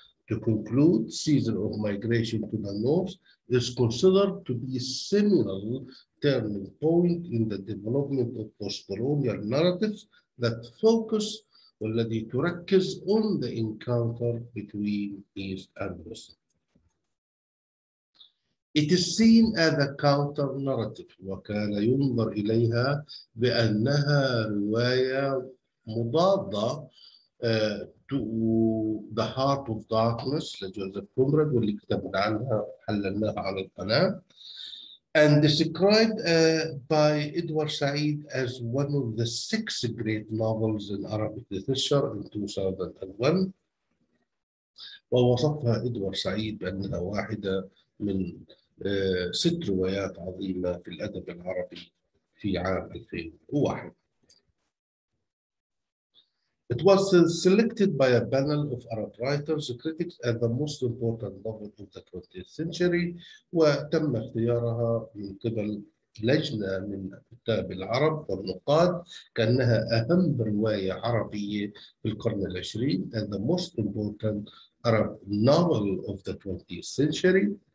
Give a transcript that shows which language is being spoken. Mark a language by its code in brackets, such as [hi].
[en] To conclude, season of migration to the north is considered to be a seminal turning point in the development of post-colonial narratives that focus [ar] والذي تركز [en] on the encounter between East and West. It is seen as a counter-narrative, [ar] وكان ينظر إليها بأنها رواية مضادة [en] to the heart of darkness [ar] لجوزيف كومراد واللي كتبنا عنها حللناها على القناة [en] and described by Edward Said as one of the six great novels in Arabic literature in 2001 [ar] ووصفها إدوار سعيد بأنها واحدة من ست روايات عظيمة في الأدب العربي في عام 2001. [en] It was selected by a panel of Arab writers, critics, and the most important novel of the 20th century. [ar] وتم اختيارها من قبل لجنة من كتاب العرب والنقاد كأنها أهم رواية عربية في القرن العشرين [en] and the most important Arab novel of the 20th century.